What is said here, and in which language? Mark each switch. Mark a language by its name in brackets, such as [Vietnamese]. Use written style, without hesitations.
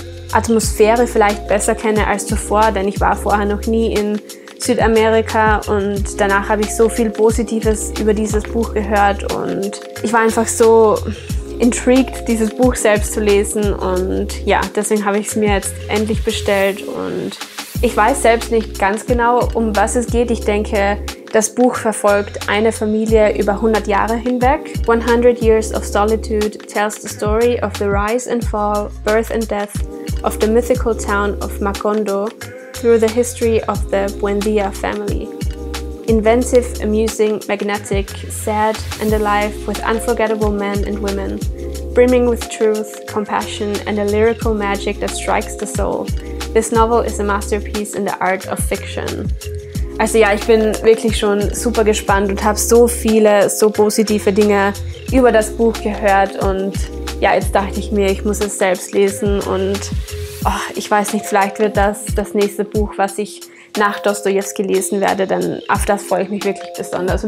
[German] Atmosphäre vielleicht besser kenne als zuvor, denn ich war vorher noch nie in Südamerika und danach habe ich so viel Positives über dieses Buch gehört und ich war einfach so intrigued, dieses Buch selbst zu lesen, und ja, deswegen habe ich es mir jetzt endlich bestellt und ich weiß selbst nicht ganz genau, um was es geht. Ich denke, das Buch verfolgt eine Familie über 100 Jahre hinweg. [English] 100 Years of Solitude tells the story of the rise and fall, birth and death of the mythical town of Macondo through the history of the Buendía family. Inventive, amusing, magnetic, sad and alive with unforgettable men and women, brimming with truth, compassion and a lyrical magic that strikes the soul. This novel is a masterpiece in the art of fiction. [German] Also ja, ich bin wirklich schon super gespannt und habe so viele, so positive Dinge über das Buch gehört und ja, jetzt dachte ich mir, ich muss es selbst lesen und oh, ich weiß nicht, vielleicht wird das nächste Buch, was ich nach Dostojewski lesen werde, denn auf das freue ich mich wirklich besonders.